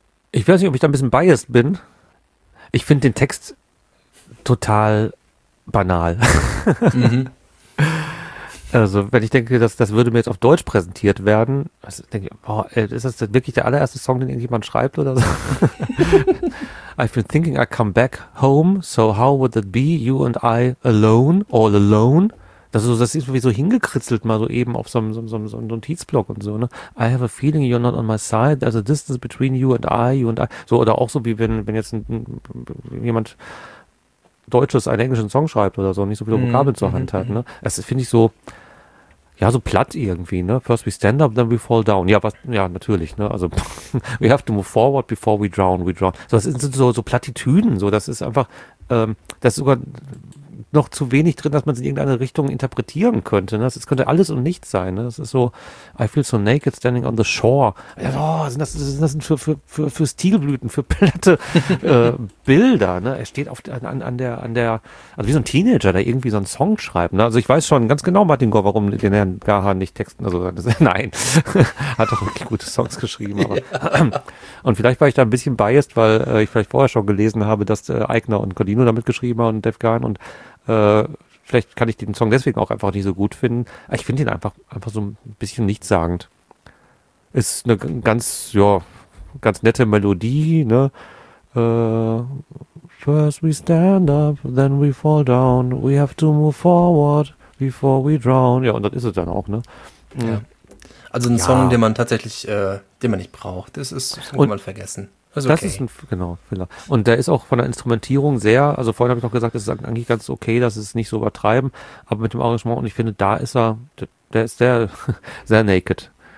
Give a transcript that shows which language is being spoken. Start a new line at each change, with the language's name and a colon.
German: Ich weiß nicht, ob ich da ein bisschen biased bin. Ich finde den Text total banal. Mhm. Also, wenn ich denke, das würde mir jetzt auf Deutsch präsentiert werden, also denke ich, boah, ist das wirklich der allererste Song, den irgendjemand schreibt oder so?
English: I've been thinking I come back home, so how would that be, you and I alone, all alone?
German: Das ist wie so hingekritzelt mal so eben auf so einem Notizblock und so, ne?
English: I have a feeling you're not on my side, there's a distance between you and I.
German: So, oder auch so wie wenn jetzt jemand Deutsches einen englischen Song schreibt oder so, nicht so viele Vokabeln zur Hand hat, ne? Das finde ich so, ja, so platt irgendwie, ne?
English: First we stand up, then we fall down.
German: Ja, natürlich, ne? Also,
English: we have to move forward before we drown.
German: So, das sind so Plattitüden, so, das ist einfach, das ist sogar noch zu wenig drin, dass man es in irgendeine Richtung interpretieren könnte. Ne? Das könnte alles und nichts sein. Ne? Das ist so,
English: I feel so naked standing on the shore.
German: Ja, oh, sind das für Stilblüten, für platte Bilder. Ne? Er steht oft an der, also wie so ein Teenager, der irgendwie so einen Song schreibt. Ne? Also ich weiß schon ganz genau, Martin Gore, warum den Herrn Gahan nicht texten. Also nein, hat doch wirklich gute Songs geschrieben. Aber. Und vielleicht war ich da ein bisschen biased, weil ich vielleicht vorher schon gelesen habe, dass Aigner und Codino damit geschrieben haben und Dave Gahan und vielleicht kann ich den Song deswegen auch einfach nicht so gut finden. Ich finde ihn einfach so ein bisschen nichtssagend. Ist eine ganz, ja, ganz nette Melodie, ne?
English: First we stand up, then we fall down. We have to move forward before we drown.
German: Ja, und das ist es dann auch, ne? Ja. Also ein Song, den man tatsächlich, den man nicht braucht. Das ist irgendwann vergessen. Okay. Das ist ein, genau, Filler. Und der ist auch von der Instrumentierung sehr, also vorhin habe ich noch gesagt, es ist eigentlich ganz okay, dass es nicht so übertreiben, aber mit dem Arrangement, und ich finde, da ist er, der ist sehr, sehr naked.